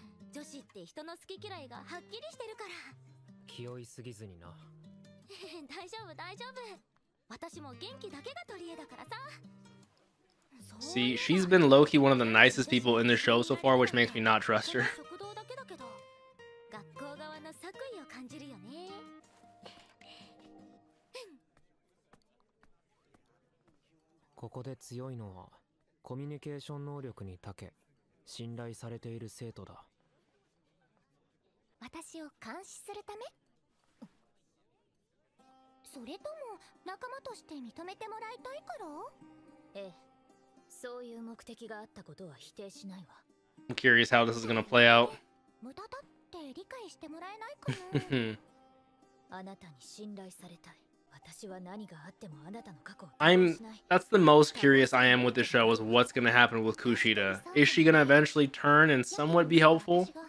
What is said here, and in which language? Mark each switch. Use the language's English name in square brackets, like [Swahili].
[Japanese] 女子って人の好き嫌いがはっきりしてるから気負いすぎずにな大丈夫大丈夫私も元気だけが取り柄だからさ [English] See, she's been low-key one of the nicest people in the show so far, which makes me not trust her [Japanese] 食堂だけだけど学校側の作為を感じるよねここで強いのはコミュニケーション能力に長け信頼されている生徒だ私を監視するため？それとも仲間として認めてもらいたいから？ええ、そういう目的があったことは否定しないわ。 [English] I'm curious how this is gonna play out. [Japanese] 無駄だって理解してもらえないかな？あなたに信頼されたい。私は何があってもあなたの過去を否定しない。 [English] That's the most curious I am with this show is what's gonna happen with Kushida. Is she gonna eventually turn and somewhat be helpful?